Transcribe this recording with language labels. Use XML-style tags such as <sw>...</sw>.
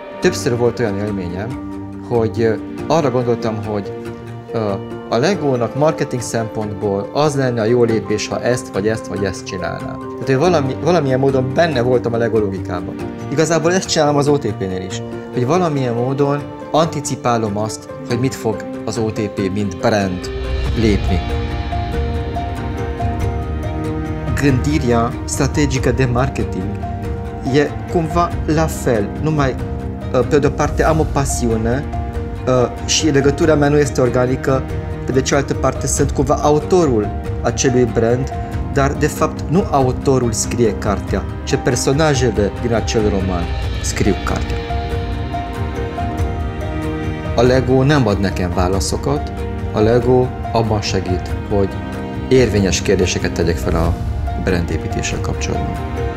<hu>Többször volt olyan élményem, hogy arra gondoltam, hogy a Legónak marketing szempontból az lenne a jó lépés, ha ezt, vagy ezt, vagy ezt csinálná. Tehát, hogy valamilyen módon benne voltam a Legó logikában. Igazából ezt csinálom az OTP-nél is, hogy valamilyen módon anticipálom azt, hogy mit fog az OTP, mint brand lépni.</hu> <ro>Grandiria strategica de marketing e cumva la fel, numai pe de-o parte am o pasiune și legătura mea nu este organică, pe de cealaltă parte sunt cumva autorul acelui brand, dar de fapt nu autorul scrie cartea, ci personajele din acel roman scriu cartea.</ro> <hu>A Lego nem ad nekem válaszokat, a Lego abban segít, hogy érvényes kérdéseket tegyek fel a brandépítéssel kapcsolatban.</hu>